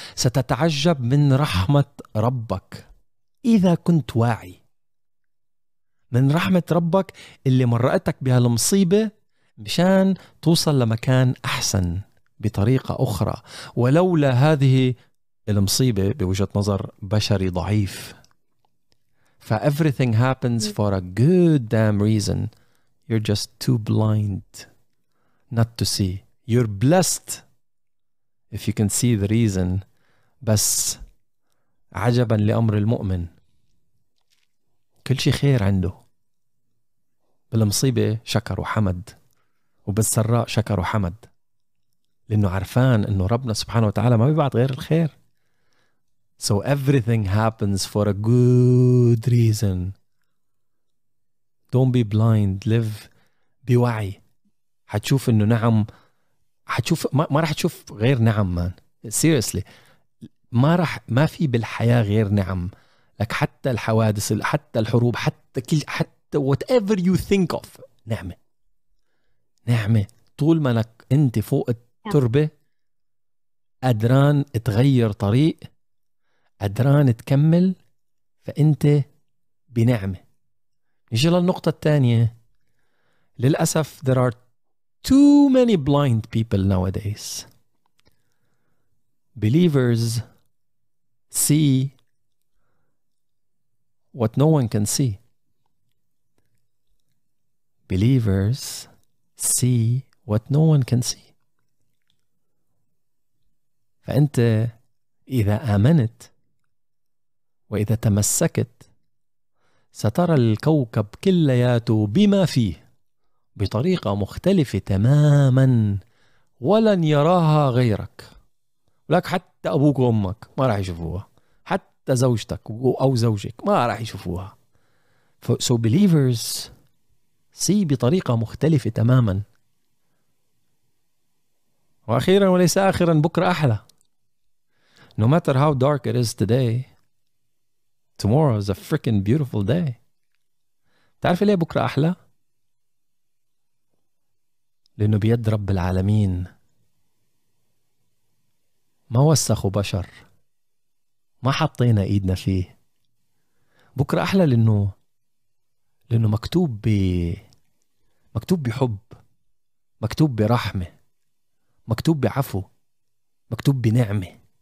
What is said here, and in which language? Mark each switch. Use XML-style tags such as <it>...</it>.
<ar>ستتعجب من رحمة ربك إذا كنت واعي, من رحمة ربك اللي مرأتك بهالمصيبة مشان توصل لمكان أحسن بطريقة أخرى. ولولا هذه المصيبة بوجهة نظر بشري ضعيف.</ar> <en>فeverything happens for a good damn reason. You're just too blind not to see. You're blessed if you can see the reason.</en> <ar>بس عجبا لأمر المؤمن كل شيء خير عنده. بالمصيبة شكر وحمد, وبالسراء شكر وحمد, لأنه عارفان أنه ربنا سبحانه وتعالى ما بيبعت غير الخير.</ar> <en>So everything happens for a good reason. Don't be blind. Live</en> <ar>بوعي. حتشوف أنه نعم, حتشوف ما رح تشوف غير نعم, man.</ar> <en>Seriously.</en> <ar>ما في بالحياة غير نعم. لك حتى الحوادث, حتى الحروب, حتى كل, حتى</ar> <en>whatever you think of.</en> <ar>نعمة. نعمة. طول ما لك أنت فوق تربة, أدران تغير طريق, أدران تكمل, فأنت بنعمة. نجي للنقطة الثانية. للأسف</ar> <en>there are too many blind people nowadays. Believers see what no one can see. Believers see what no one can see.</en> <ar>فأنت إذا آمنت وإذا تمسكت سترى الكوكب كلياته بما فيه بطريقة مختلفة تماما ولن يراها غيرك، ولك حتى أبوك وأمك ما راح يشوفوها، حتى زوجتك أو زوجك ما راح يشوفوها.</ar> <en>So believers see</en> <ar>بطريقة مختلفة تماما. وأخيرا وليس آخرا، بكرة أحلى.</ar> <en>No matter how dark it is today, tomorrow is a freaking beautiful day.</en> <ar>تعرف ليه بكرة أحلى؟ لأنه بيد رب العالمين، ما وسخوا بشر، ما حطينا إيدنا فيه. بكرة أحلى لأنه مكتوب بحب، مكتوب برحمة، مكتوب بعفو، مكتوب بنعمة.</ar>